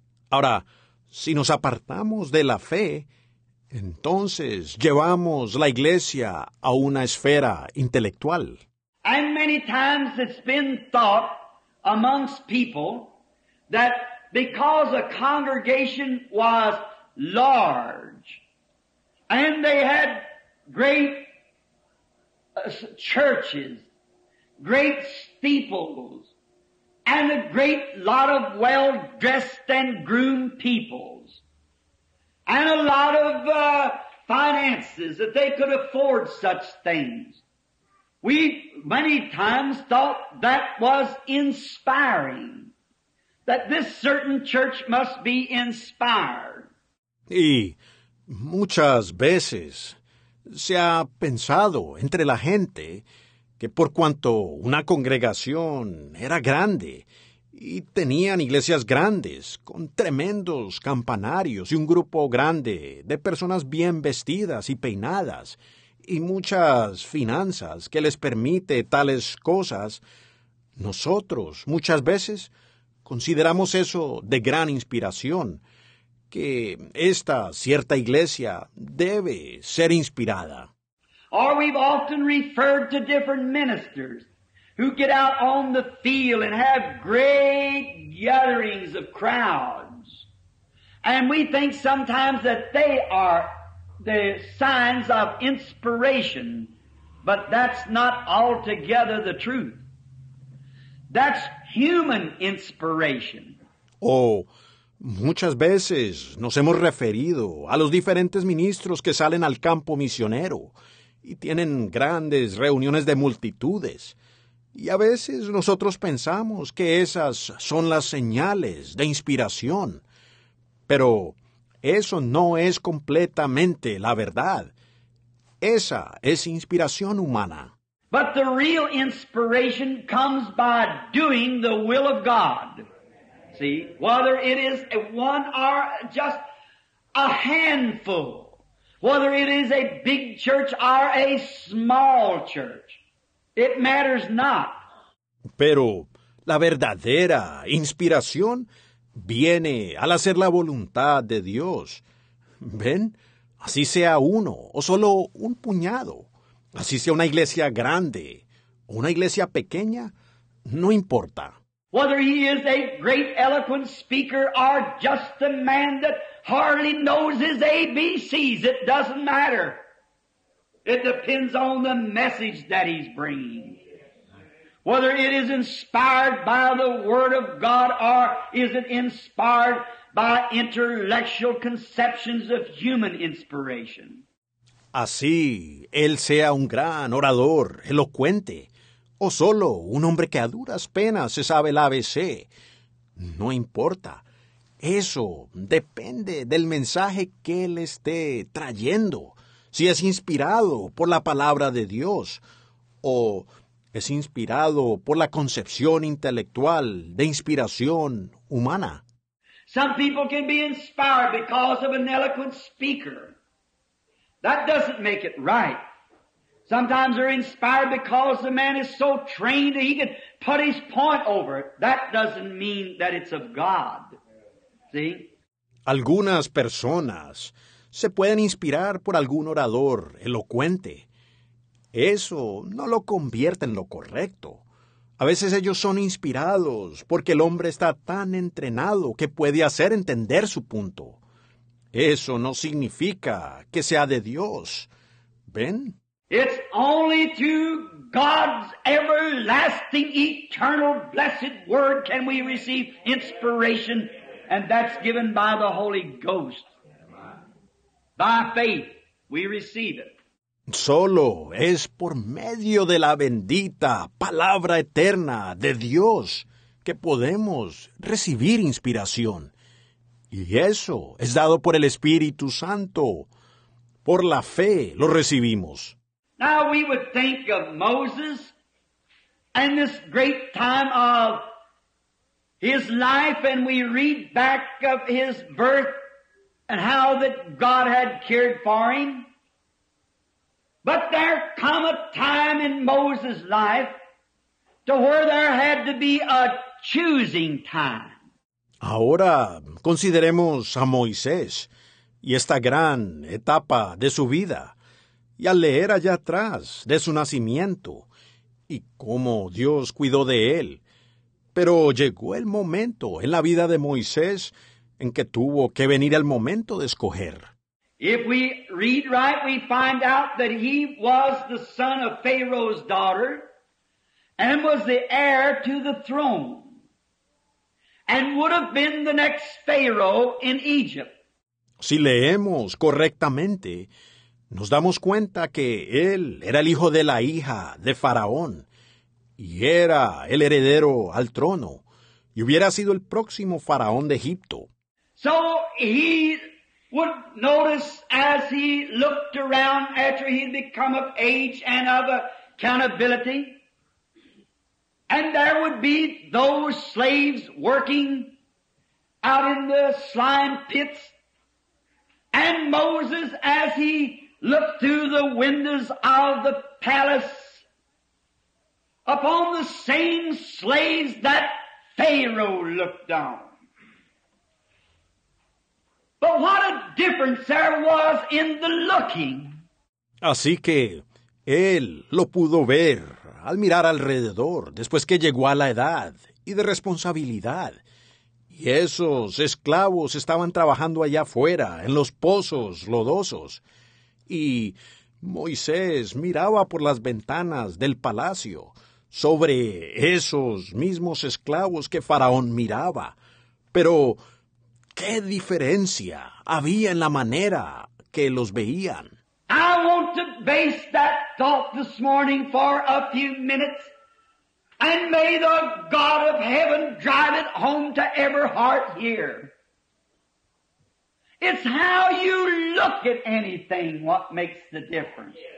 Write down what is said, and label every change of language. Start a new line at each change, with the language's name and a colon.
Spanish: Ahora, si nos apartamos de la fe, entonces llevamos la iglesia a una esfera intelectual.
English: And many times it's been thought amongst people that because a congregation was large and they had great churches, great steeples, and a great lot of well-dressed and groomed peoples, and a lot of finances, that they could afford such things. We many times thought that was inspiring, that this certain church must be inspired.
Spanish: Y muchas veces se ha pensado entre la gente que por cuanto una congregación era grande y tenían iglesias grandes con tremendos campanarios y un grupo grande de personas bien vestidas y peinadas y muchas finanzas que les permite tales cosas, nosotros muchas veces consideramos eso de gran inspiración, que esta cierta iglesia debe ser inspirada.
English: Or we've often referred to different ministers who get out on the field and have great gatherings of crowds. And we think sometimes that they are the signs of inspiration, but that's not altogether the truth. That's human inspiration.
Spanish: Oh, muchas veces nos hemos referido a los diferentes ministros que salen al campo misionero y tienen grandes reuniones de multitudes. Y a veces nosotros pensamos que esas son las señales de inspiración. Pero eso no es completamente la verdad. Esa es inspiración humana.
English: But the real inspiration comes by doing the will of God. See, whether it is one or just a handful. Whether it is a big church or a small church, it matters not.
Spanish: Pero la verdadera inspiración viene al hacer la voluntad de Dios. ¿Ven? Así sea uno o solo un puñado. Así sea una iglesia grande o una iglesia pequeña, no importa.
English: Whether he is a great eloquent speaker or just a man that hardly knows his ABCs, it doesn't matter. It depends on the message that he's bringing. Whether it is inspired by the Word of God or is it inspired by intellectual conceptions of human inspiration.
Spanish: Así, él sea un gran orador, elocuente, o solo un hombre que a duras penas se sabe el ABC, no importa. Eso depende del mensaje que él esté trayendo, si es inspirado por la palabra de Dios o es inspirado por la concepción intelectual de inspiración humana.
English: Some people can be inspired because of an eloquent speaker. That doesn't make it right. Sometimes they're inspired because the man is so trained that he can put his point over it. That doesn't mean that it's of God.
Spanish: Algunas personas se pueden inspirar por algún orador elocuente. Eso no lo convierte en lo correcto. A veces ellos son inspirados porque el hombre está tan entrenado que puede hacer entender su punto. Eso no significa que sea de Dios. ¿Ven?
English: It's only through God's everlasting, eternal, blessed word can we receive inspiration. And that's given by the Holy Ghost. By faith, we receive it.
Spanish: Solo es por medio de la bendita palabra eterna de Dios que podemos recibir inspiración. Y eso es dado por el Espíritu Santo. Por la fe lo recibimos.
English: Now we would think of Moses and this great time of his life, and we read back of his birth and how that God had cared for him. But there come a time in Moses' life to where there had to be a choosing time.
Spanish: Ahora consideremos a Moisés y esta gran etapa de su vida. Y al leer allá atrás de su nacimiento y cómo Dios cuidó de él. Pero llegó el momento en la vida de Moisés en que tuvo que venir el momento de escoger.
English: If we read right, we find out that he was the son of Pharaoh's daughter and was the heir to the throne and would have been the next Pharaoh in Egypt.
Spanish: Si leemos correctamente, nos damos cuenta que él era el hijo de la hija de Faraón y era el heredero al trono y hubiera sido el próximo faraón de Egipto.
English: So he would notice as he looked around after he'd become of age and of accountability, and there would be those slaves working out in the slime pits, and Moses as he looked through the windows of the palace upon the same slaves that Pharaoh looked on. But what a difference there was in the looking.
Spanish: Así que él lo pudo ver al mirar alrededor después que llegó a la edad y de responsabilidad. Y esos esclavos estaban trabajando allá afuera en los pozos lodosos. Y Moisés miraba por las ventanas del palacio sobre esos mismos esclavos que Faraón miraba. Pero, ¿qué diferencia había en la manera que los veían?
English: I want to base that thought this morning for a few minutes, and may the God of heaven drive it home to every heart here. It's how you look at anything what makes the difference.